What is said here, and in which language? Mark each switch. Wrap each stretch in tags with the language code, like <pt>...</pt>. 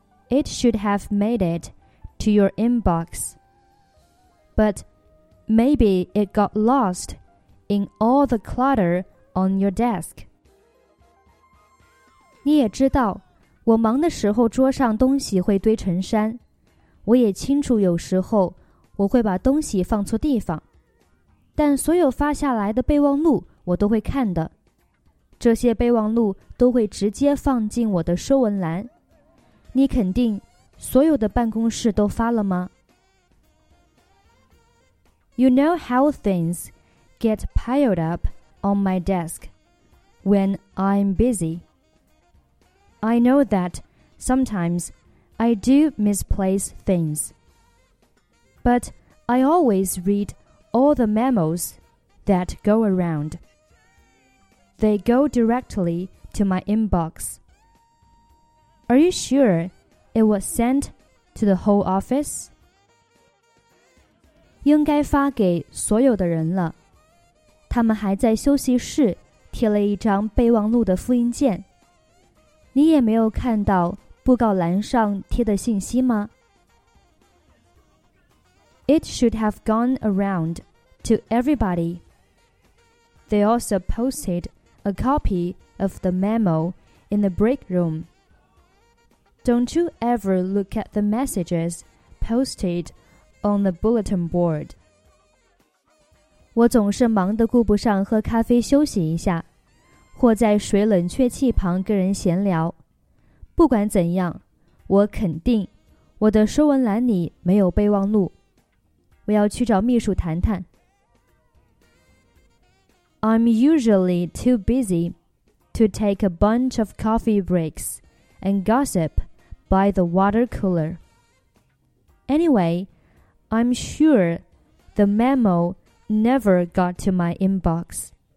<en>It should have made it to your inbox. But maybe it got lost in all the clutter on your desk.</en> <zh>你也知道，我忙的时候桌上东西会堆成山。我也清楚有时候我会把东西放错地方。但所有发下来的备忘录我都会看的。这些备忘录都会直接放进我的收文栏。你肯定所有的办公室都发了吗？</zh> <en>You know how things get piled up on my desk when I'm busy. I know that sometimes I do misplace things. But I always read all the memos that go around. They go directly to my inbox. Are you sure it was sent to the whole office?</en> <zh>应该发给所有的人了。他们还在休息室贴了一张备忘录的复印件。你也没有看到布告栏上贴的信息吗？</zh> <en>It should have gone around to everybody. They also posted a copy of the memo in the break room. Don't you ever look at the messages posted on the bulletin board.</en> <zh>我总是忙得顾不上喝咖啡休息一下，或在水冷却器旁跟人闲聊。不管怎样，我肯定我的收文栏里没有备忘录。我要去找秘书谈谈。</zh> <en>I'm usually too busy to take a bunch of coffee breaks and gossip.By the water cooler. Anyway, I'm sure the memo never got to my inbox.</en>